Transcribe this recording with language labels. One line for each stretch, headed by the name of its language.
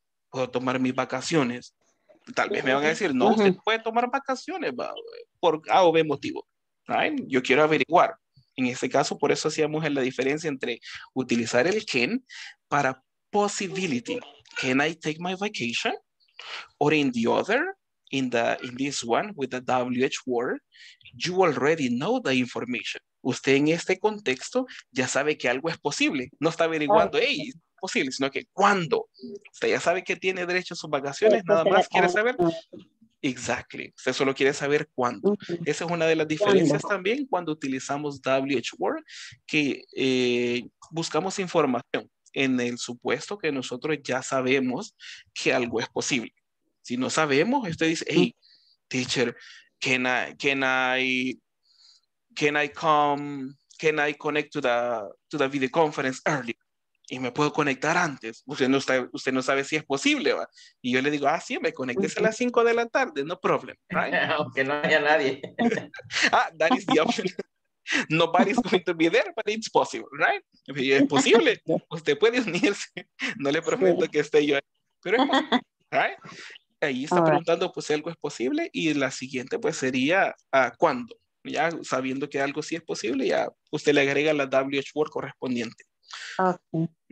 Spanish: puedo tomar mis vacaciones. Tal vez me van a decir, no, usted puede tomar vacaciones por A o B motivo. ¿Right? Yo quiero averiguar. En este caso, por eso hacíamos la diferencia entre utilizar el can para possibility.
English: Can I take my vacation? Or in the other, in this one with the WH word, you already know the information.
Spanish: Usted en este contexto ya sabe que algo es posible. No está averiguando, hey, es posible, sino que ¿cuándo? Usted ya sabe que tiene derecho a sus vacaciones, nada más quiere saber. Exactly. Usted solo quiere saber cuándo. Esa es una de las diferencias también cuando utilizamos WH word, que buscamos información en el supuesto que nosotros ya sabemos que algo es posible. Si no sabemos, usted dice,
English: hey, teacher, can I connect to the video conference early?
Spanish: Y me puedo conectar antes. Usted no sabe si es posible, ¿va? Y yo le digo, ah, sí, me conectes a las 5 de la tarde,
English: no problem,
Spanish: right? Aunque no haya nadie.
English: Ah, that is the option. Nobody's going to be there, but it's possible, right?
Spanish: Y es posible. Usted puede unirse. No le prometo que esté yo ahí, pero es posible, right? Ahí está preguntando, pues, si algo es posible. Y la siguiente, pues, sería, ¿cuándo? Ya sabiendo que algo sí es posible, ya usted le agrega la WH word correspondiente.
English: Okay.